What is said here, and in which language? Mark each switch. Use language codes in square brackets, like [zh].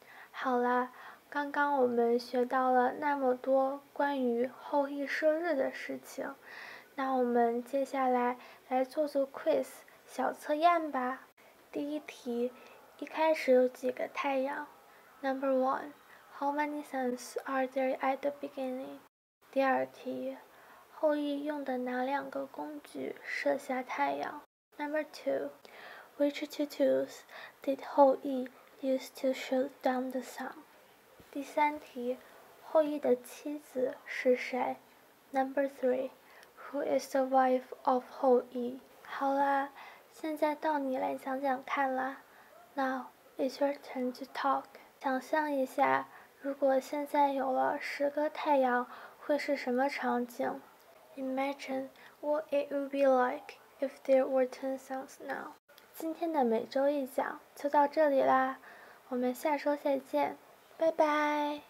[zh] 好了，刚刚我们学到了那么多关于后羿射日的事情，那我们接下来来做做 quiz 小测验吧。第一题，一开始有几个太阳？ [en] Number one, how many suns are there at the beginning? [zh] 第二题，后羿用的哪两个工具射下太阳？ [en] Number two, which two tools did 后羿 use to shoot down the sun? [zh] 第三题，后羿的妻子是谁？ [en] Number three, who is the wife of 后羿？ [zh] 好啦，现在到你来讲讲看啦。 [en] Now, it's your turn to talk. [zh] 想象一下，如果现在有了十个太阳，会是什么场景？ [en] Imagine what it would be like if there were 10 suns now. [zh] 今天的每周一讲就到这里啦，我们下周再见，拜拜。